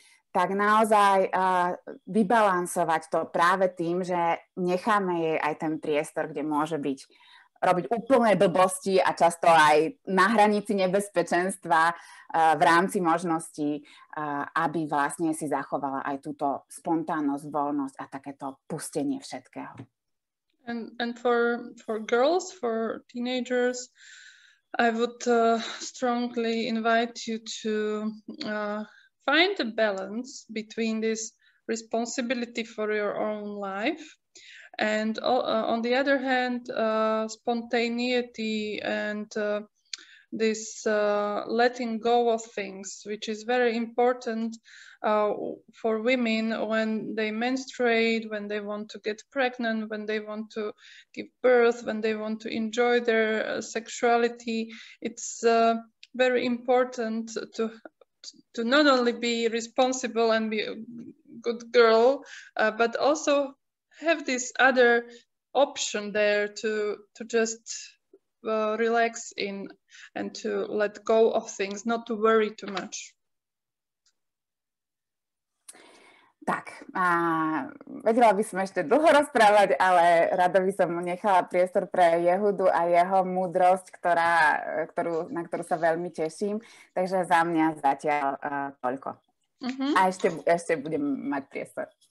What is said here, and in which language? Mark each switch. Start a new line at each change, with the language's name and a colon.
Slovak: Tak naozaj vybalansovať to práve tým, že necháme jej aj ten priestor, kde môže byť, robiť úplné blbosti a často aj na hranici nebezpečenstva v rámci možností, aby vlastne si zachovala aj túto spontánnosť, voľnosť a takéto pustenie všetkého.
English: And for girls, for teenagers, I would strongly invite you to find a balance between this responsibility for your own life and on the other hand, spontaneity and this letting go of things, which is very important for women when they menstruate, when they want to get pregnant, when they want to give birth, when they want to enjoy their sexuality. It's very important to not only be responsible and be a good girl, but also have this other option there to just relax in and to let go of things, not to worry too much.
Slovak: Tak, a vedela by som ešte dlho rozprávať, ale rada by som mu nechala priestor pre Jehudu a jeho múdrosť, na ktorú sa veľmi teším. Takže za mňa zatiaľ toľko. Uh-huh. A ešte budem mať priestor.